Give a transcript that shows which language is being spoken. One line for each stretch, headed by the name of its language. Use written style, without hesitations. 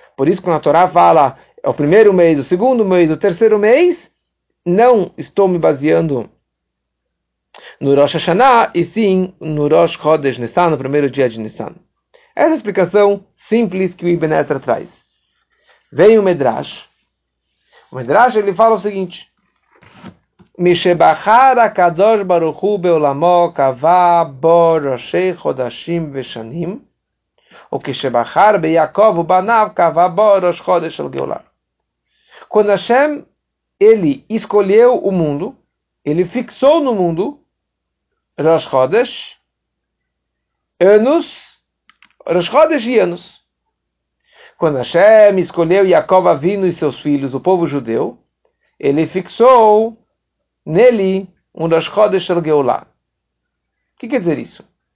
Portuguese: Por isso que na Torá fala, é o primeiro mês, o segundo mês, o terceiro mês, não estou me baseando no Rosh Hashanah, e sim no Rosh Chodesh Nisan, no primeiro dia de Nisan. Essa é a explicação simples que o Ibn Ezra traz. Vem o Medrash. O Medrash ele fala o seguinte:
Hebrew: משבחר הקדוש ברוך הוא בעולמו קבע בו ראשי חודשים ושנים, וכשבחר ביעקב ובניו קבע בו ראש חודש של גאולה.
Portuguese: Quando Hashem, ele escolheu o mundo, ele fixou no mundo Rosh Chodesh, anos, Rosh Chodesh e anos. Quando Hashem escolheu Yaakov Avinu e seus filhos, o povo judeu, ele fixou nele um Rosh Chodesh El Geulah. O que quer dizer isso?